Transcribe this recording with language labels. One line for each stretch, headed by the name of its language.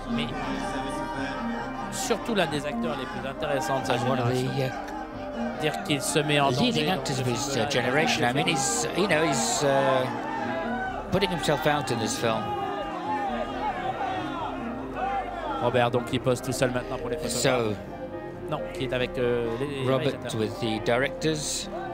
French: Mais surtout l'un des acteurs les plus intéressants de sa génération. Dire qu'il se met en
English: leading actors of his generation. I mean, he's, you know, he's putting himself out in this film.
French: Robert donc qui pose tout seul maintenant pour les photos.
English: So,
French: non, qui est avec les
English: Robert with the directors.